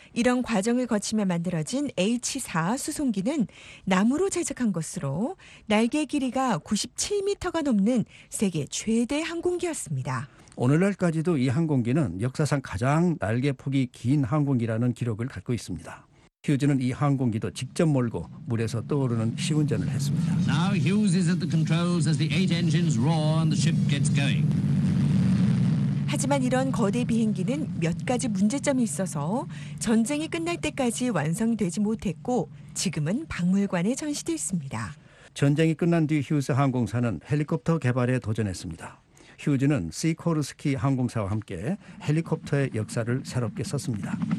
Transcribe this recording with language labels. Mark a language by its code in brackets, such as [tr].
[ko] 이런 과정을 거치며 만들어진 H-4 수송기는 나무로 제작한 것으로 날개 길이가 97m가 넘는 세계 최대 항공기였습니다. 오늘날까지도 이 항공기는 역사상 가장 날개 폭이 긴 항공기라는 기록을 갖고 있습니다. 휴즈는 이 항공기도 직접 몰고 물에서 떠오르는 시운전을 했습니다. [en] Now Hughes is at the controls as the eight engines roar and the ship gets going. [ko] 하지만 이런 거대 비행기는 몇 가지 문제점이 있어서 전쟁이 끝날 때까지 완성되지 못했고 지금은 박물관에 전시되어 있습니다. 전쟁이 끝난 뒤 휴즈 항공사는 헬리콥터 개발에 도전했습니다. 휴즈는 시코르스키 항공사와 함께 헬리콥터의 역사를 새롭게 썼습니다.